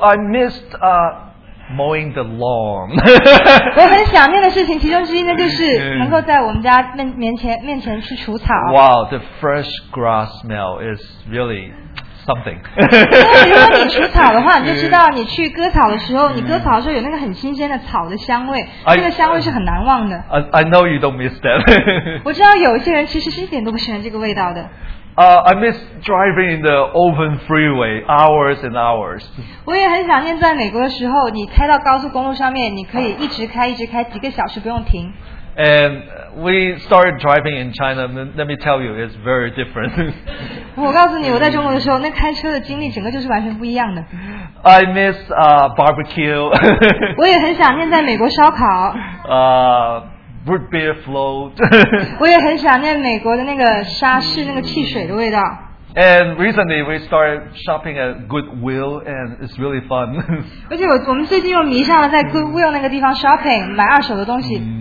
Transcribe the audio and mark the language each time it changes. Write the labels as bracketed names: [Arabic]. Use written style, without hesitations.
[English] I missed mowing the lawn. [Chinese] 我很想念的事情，其中之一呢，就是能够在我们家面前去除草。 [English] Wow, the fresh grass smell is really something. [Chinese] 如果你除草的话，你就知道你去割草的时候，你割草的时候有那个很新鲜的草的香味，那个香味是很难忘的。 [English] I know you don't miss that. [Chinese] 我知道有一些人其实是一点都不喜欢这个味道的。 [English] I miss driving in the open freeway hours and hours. [Chinese] 我也很想念在美国的时候，你开到高速公路上面，你可以一直开，一直开几个小时不用停。 [English] And we started driving in China, let me tell you, it's very different. [Chinese] 我告诉你，我在中国的时候，那开车的经历整个就是完全不一样的。 [English] I miss barbecue. [Chinese] 我也很想念在美国烧烤。 [English] Root beer float. [Chinese] 我也很想念美国的那个沙士那个汽水的味道。 [English] And recently we started shopping at Goodwill, and it's really fun. [Chinese] 而且我们最近又迷上了在 Goodwill 那个地方 shopping, 买二手的东西。